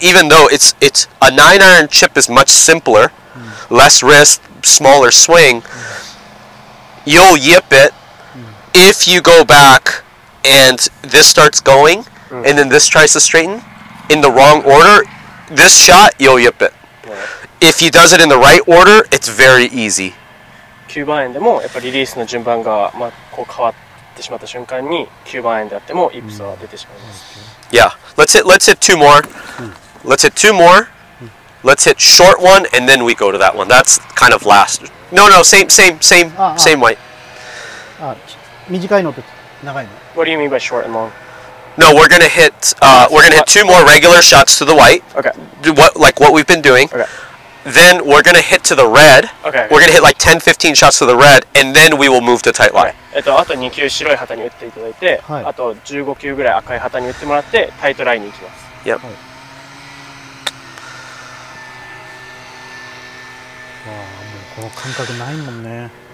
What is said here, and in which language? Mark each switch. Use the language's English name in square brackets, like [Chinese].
[English] Even though it's a nine iron chip is much simpler, less risk, smaller swing. You'll yip it. If you go back and this starts going、mm. and then this tries to straighten in the wrong order, this shot, you'll yip it. Right. If he does it in the right order, it's very easy. [Japanese] 9番円でもやっぱりリリースの順番が、まあ、こう変わってしまった瞬間に9番円であってもイップスは出てしまいます。 Mm. [English] Yeah, let's hit two more.、Mm. Let's hit two more.、Mm. Let's hit short one and then we go to that one. That's kind of last. No, same ah. same white. What do you mean by short and long? No, we're gonna hit two more regular shots to the white. Okay. What we've been doing. Okay. Then we're gonna hit to the red. Okay. We're gonna hit like 10, 15 shots to the red, and then we will move to tight line. Okay. [Japanese] あと2球白い旗に打っていただいて、あと15球ぐらい赤い旗に打ってもらって、タイトラインに行きます。 [English] Yep. [Japanese] わあ、もうこの感覚ないもんね。